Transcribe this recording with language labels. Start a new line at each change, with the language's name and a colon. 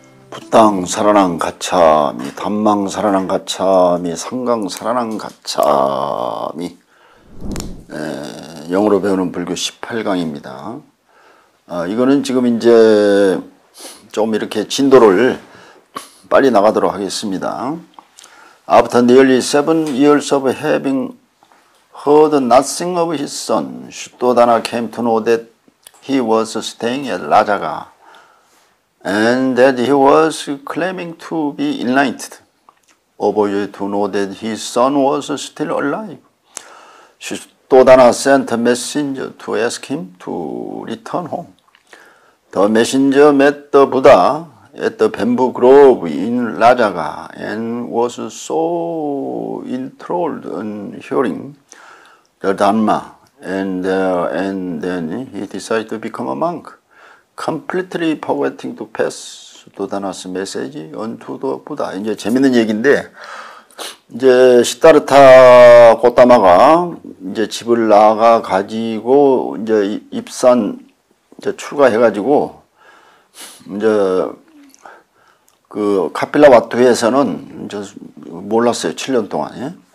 Pali: 부당 살아난 가참이, 단망 살아난 가참이, 상강 살아난 가참이.
Korean: 예, 영어로 배우는 불교 18강입니다. 아, 이거는 지금 이제 좀 이렇게 진도를 빨리 나가도록 하겠습니다.
English: After nearly 7 years of having heard nothing of his son, Suddhodana came to know that he was staying at Rajagha and that he was claiming to be enlightened. Overjoyed to know that his son was still alive, Suddhodana sent a messenger to ask him to return home. The messenger met the Buddha at the bamboo grove in Rajagha and was so enthralled in hearing the Dharma and then he decided to become a monk, completely forgetting to pass Suddhodana's message unto the Buddha.
Korean: 이제 재밌는 얘기인데, 이제 시타르타 고타마가 이제 집을 나가 가지고 이제 입산 이제 출가해 가지고 이제 그 카필라와트에서는 이제 몰랐어요. 7년 동안에.